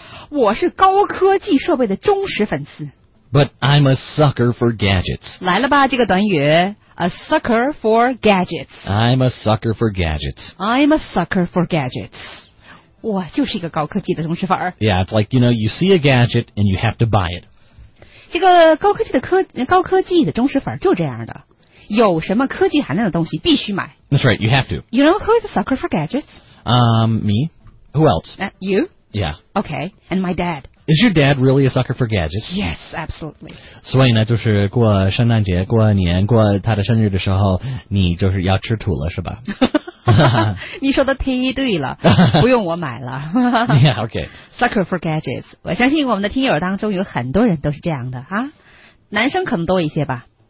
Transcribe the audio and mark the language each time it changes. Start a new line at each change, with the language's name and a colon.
Chinese: 我是高科技设备的忠实粉丝。
English: But I'm a sucker for gadgets.
Chinese: 来了吧，这个短语 ， a sucker for gadgets.
English: I'm a sucker for gadgets. I'm a sucker for gadgets.
Chinese: 我就是一个高科技的忠实粉儿。
English: Yeah, it's like you know, you see a gadget and you have to buy it.
Chinese: 这个高科技的忠实粉就这样的，有什么科技含量的东西必须买。
English: That's right, you have to. You know who is a sucker for gadgets? Me. Who else? You. Yeah. Okay, and my dad. Is your dad really a sucker for gadgets? Yes, absolutely.
Chinese: 所以呢，就是过圣诞节、过年、过他的生日的时候，你就是要吃土了，是吧？你说的太对了，不用我买了。
English: Yeah, okay. Sucker for gadgets.
Chinese: 我相信我们的听友当中有很多人都是这样的啊，男生可能多一些吧。